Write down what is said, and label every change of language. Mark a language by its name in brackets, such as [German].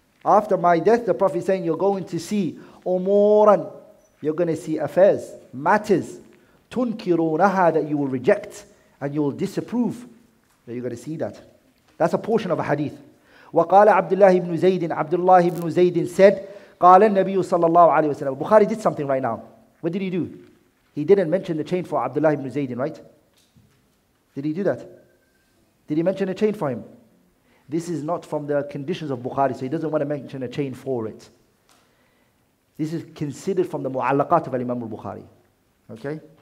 [English] After my death, the Prophet is saying, you're going to see, أمورا, you're going to see affairs, matters, تنكرونها, that you will reject and you will disapprove. That you're going to see that. That's a portion of a hadith. [Arabic] وقال عبد الله بن زيد, عبد الله بن زيد said, قال النبي صلى الله عليه وسلم. [English] Bukhari did something right now. What did he do? He didn't mention the chain for Abdullah ibn Zayd, right? Did he do that? Did he mention a chain for him? This is not from the conditions of Bukhari, so he doesn't want to mention a chain for it. This is considered from the mu'allaqat of Imam al-Bukhari. Okay?